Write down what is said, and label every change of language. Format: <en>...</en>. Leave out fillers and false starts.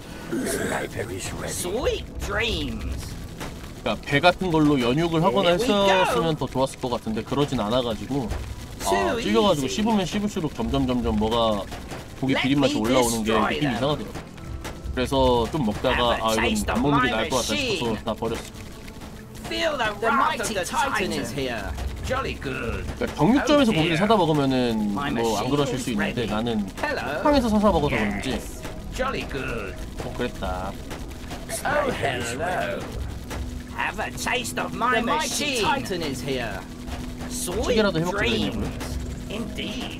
<en>Sniper is ready. Sweet dreams.</en> <ko>그러니까 배 같은 걸로 연육을 하거나 했었으면 더 좋았을 것 같은데 그러진 않아가지고 아, 찔려가지고 씹으면 씹을수록 점점 뭐가 고기 비린맛이 올라오는 게 느낌이 이상하더라. 그래서 좀 먹다가 아 이건 안 먹는 게 나을 것 같다 싶어서 다 버렸어.</ko> <en>Feel the wrath of the Titan is here. Jolly good.</en> <ko>그러니까 정육점에서 oh 고기를 사다 먹으면은 뭐 안 그러실 수 있는데</ko> <en>ready.</en> <ko>나는 식당에서 사서 먹어서 그런지.</ko> <en>Yes. Jolly good.</en> <ko>어, 그랬다.</ko> <en>Oh hello. Have a taste of my machine. Titan is here. Sweet dreams. Indeed.</en>